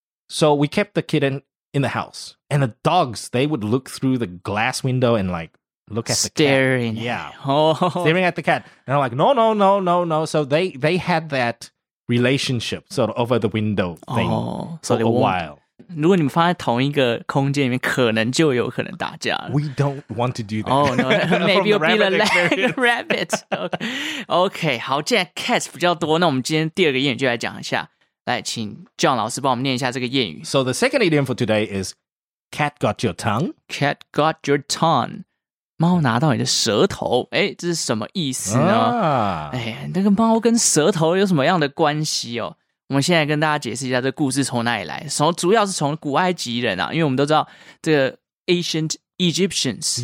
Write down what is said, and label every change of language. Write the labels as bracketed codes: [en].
[en] So we kept the kitten in the house. And the dogs, they would look through the glass window and like, look at staring. The cat. Staring. Yeah. Staring at the cat. And I'm like, no. So they had that... relationship sort of over the window thing for a while. [zh] 如果你们放在同一个空间里面，可能就有可能打架了。 [en] We don't want to do that. [zh] Oh no, maybe you'll be the rabbit. Okay, 好，既然 cats 比较多，那我们今天第二个谚语就来讲一下。来，请 John 老师帮我们念一下这个谚语。 [en] So the second idiom for today is cat got your tongue. Cat got your tongue. [zh] 猫拿到你的舌头，哎，这是什么意思呢？哎，那个猫跟舌头有什么样的关系哦？我们现在跟大家解释一下这故事从哪里来。主要是从古埃及人啊，因为我们都知道这个 ancient Egyptians，